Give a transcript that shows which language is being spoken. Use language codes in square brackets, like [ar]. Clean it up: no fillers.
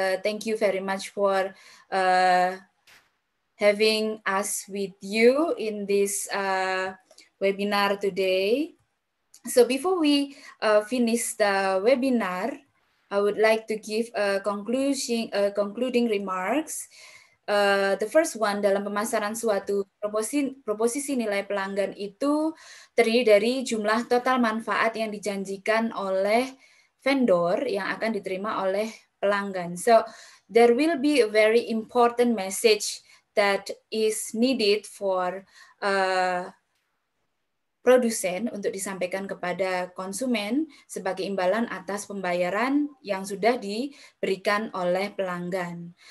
[en] Thank you very much for having us with you in this webinar today. So before we finish the webinar, I would like to give a concluding remarks. The first one, [id] dalam pemasaran suatu proposisi nilai pelanggan itu terdiri dari jumlah total manfaat yang dijanjikan oleh vendor yang akan diterima oleh pelanggan. [en] So there will be a very important message that is needed for [id] produsen untuk disampaikan kepada konsumen sebagai imbalan atas pembayaran yang sudah diberikan oleh pelanggan.